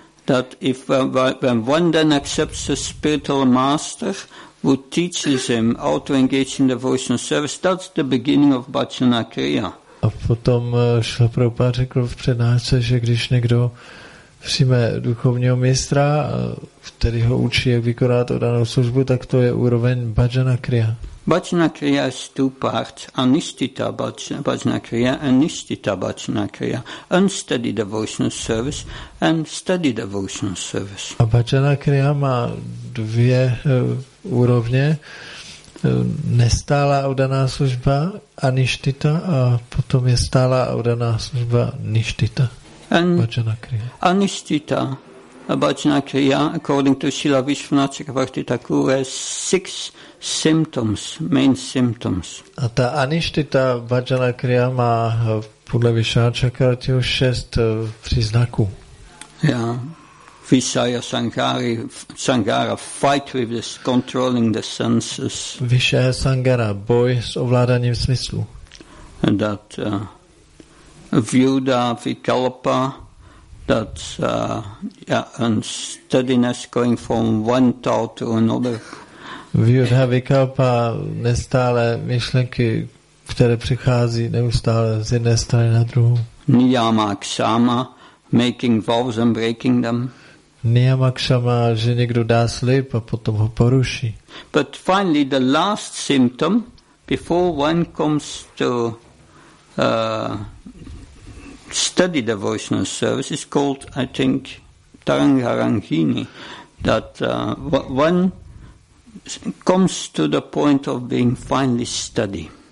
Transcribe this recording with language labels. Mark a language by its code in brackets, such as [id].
[en] that if when one then accepts a spiritual master who teaches him how to engage in devotional service, that's the beginning of bhajana kriya. [cs] A potom Šrila Prabhupáda řekl v přednášce, že když někdo přijme duchovního mistra, který ho učí, jak vykonat danou službu, tak to je úroveň bhajana kriya. [en] Bhajana kriya is two parts, anisthita bhajana kriya and nisthita bhajana kriya. Unsteady devotional service and steady devotional service. [cs] A bhajana kriya má dvě úrovně. Nestálá oddaná služba a nishtita, a potom je stálá oddaná služba nishtita. Bhajana kriya. [en] Anishtita bhajana kriya, according to Srila Vishvanatha Chakravarti Thakur, has six symptoms, main symptoms. [cs] A ta anishtita bhajana kriya má podle Vishvanatha Chakravartiho šest příznaků. [en] Yeah. Vishaya Sanghara, fight with this, controlling the senses. [cs] Vishaya Sanghara, boj s ovládaním smyslu. [en] And that Vyuda Vikalpa, that's unsteadiness going from one thought to another. [cs] Vyuda Vikalpa, nestále myšlenky, které přichází neustále z jedné strany na druhou. [en] Niyama Kshama, making vows and breaking them. [cs] Niyamakshama, že někdo dá slib a potom ho poruší. [en] But finally the last symptom before one comes to study devotional service is called, I think, Tarangharanghini, that one comes to the point of being finally steady.